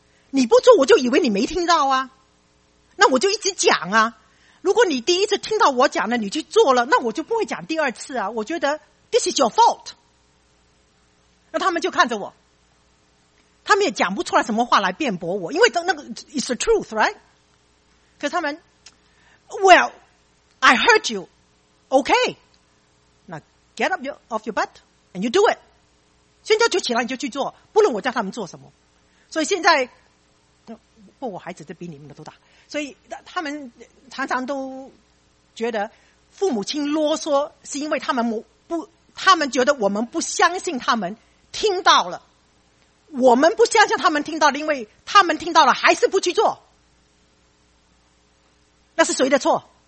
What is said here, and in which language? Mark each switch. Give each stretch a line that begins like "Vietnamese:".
Chinese: 你不做我就以为你没听到啊，那我就一直讲啊。如果你第一次听到我讲的你去做了，那我就不会讲第二次啊，我觉得
English: This is your fault。
Chinese: 那他们就看着我，他们也讲不出来什么话来辩驳我，因为那个
English: It's the truth right。
Chinese: 可是他们
English: Well I heard you OK Now get up off your butt and you do it，
Chinese: 现在就起来你就去做，不论我叫他们做什么。所以现在不，我孩子就比你们的都大，所以他们常常都觉得父母亲啰嗦是因为他们觉得我们不相信他们听到了，我们不相信他们听到了，因为他们听到了还是不去做，那是谁的错？